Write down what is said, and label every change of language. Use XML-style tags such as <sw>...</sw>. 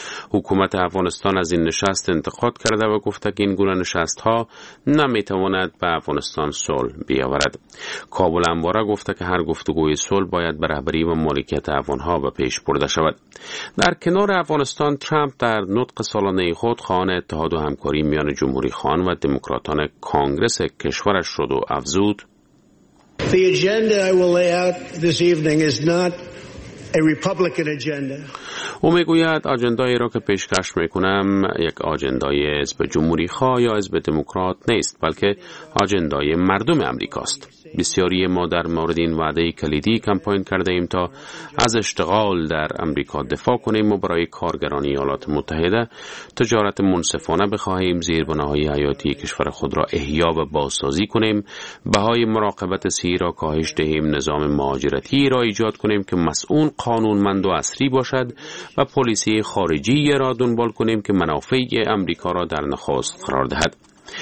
<fa>حکومت افغانستان از این نشست انتقاد کرده و گفته که این گونه نشست ها نمی تواند به افغانستان صلح بیاورد. کابل انواره گفته که هر گفتگوی صلح باید به رهبری و مالکیت افغان ها به پیش برده شود. در کنار افغانستان، ترامپ در نطق سالانه خود خواهان اتحاد و همکاری میان جمهوری خان و دموکراتان کانگرس کشورش شد و افزود:</fa> <en>The agenda I will lay out this evening is not a Republican agenda.</en> <fa>او میگوید اجندای را که پیشکش میکنم یک اجندای حزب جمهوری خواه یا حزب دموکرات نیست، بلکه اجندای مردم آمریکاست. بسیاری ما در مورد این وعده کلیدی کمپاین کرده ایم تا از اشتغال در آمریکا دفاع کنیم و برای کارگران ایالات متحده تجارت منصفانه بخواهیم، زیربناهای حیاتی کشور خود را احیا و بازسازی کنیم، بهای مراقبت سی را کاهش دهیم، نظام مهاجرتی را ایجاد کنیم که مسئول قانونمند و اصری باشد و پلیسی خارجی را دنبال کنیم که منافع آمریکا را در نخست قرار دهد.</fa>